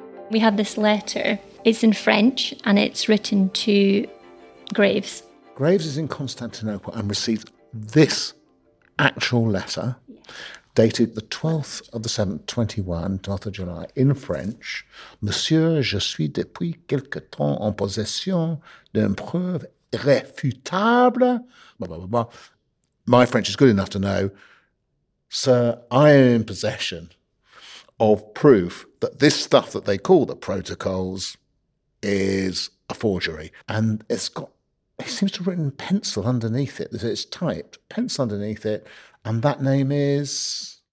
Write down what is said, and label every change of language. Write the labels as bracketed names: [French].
[English] We have this letter. It's in French and it's written to Graves. Graves is in Constantinople and receives this actual letter, dated the 12th of the 7th, 21, 12th of July, in French. [French] Monsieur, je suis depuis quelque temps en possession d'une preuve irréfutable. [English] Blah, blah, blah, blah. My French is good enough to know, sir, I am in possession of proof that this stuff that they call the protocols is a forgery. And it's got, it seems to have written pencil underneath it. It's typed pencil underneath it. And that name is?